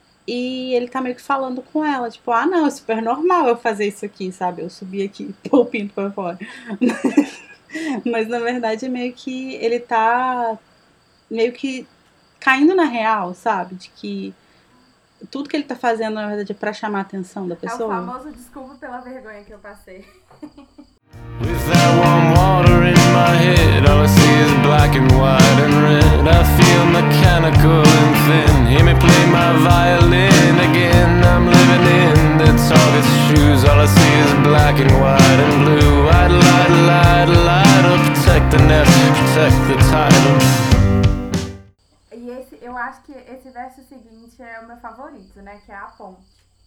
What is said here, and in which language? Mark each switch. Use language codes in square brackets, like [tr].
[pt] E ele tá meio que falando com ela, tipo, ah, não, é super normal eu fazer isso aqui, sabe? Eu subir aqui, pôr o pinto pra fora. Mas na verdade é meio que ele tá meio que caindo na real, sabe? De que tudo que ele tá fazendo, na verdade, é pra chamar a atenção da É o pessoa. famoso desculpa pela vergonha que eu passei. [en] With that warm water in my head, all I see is black and white and red. I feel mechanical and thin. Hear me play my violin again. I'm living in the tallest shoes. All I see is black and white and blue. I'd light, light, light up, protect the nest, protect the title. [pt] Eu acho que esse verso seguinte é o meu favorito, né? Que é a ponte.